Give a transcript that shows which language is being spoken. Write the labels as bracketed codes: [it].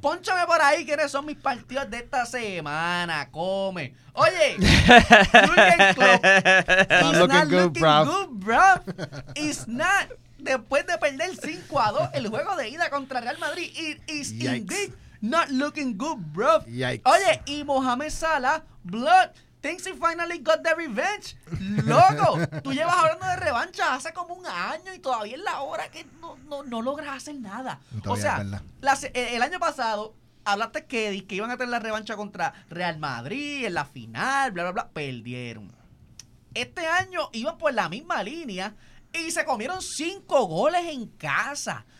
[es] Pónchame por ahí quiénes son mis partidos de esta semana. [en] Come. [es] Oye, [en] Jürgen Klopp. It's not looking good, bro. It's not. [es] Después de perder 5-2 el juego de ida contra Real Madrid, [en] it is yikes. Indeed not looking good, bro. Yikes. [es] Oye, y Mohamed Salah, [en] blood. Thinks he finally got the revenge. [es] Loco, tú llevas hablando de revancha hace como un año y todavía es la hora que no logras hacer nada. Todavía, o sea, el año pasado hablaste que iban a tener la revancha contra Real Madrid en la final, bla, bla, bla. Perdieron. Este año iban por la misma línea y se comieron 5 goles en casa.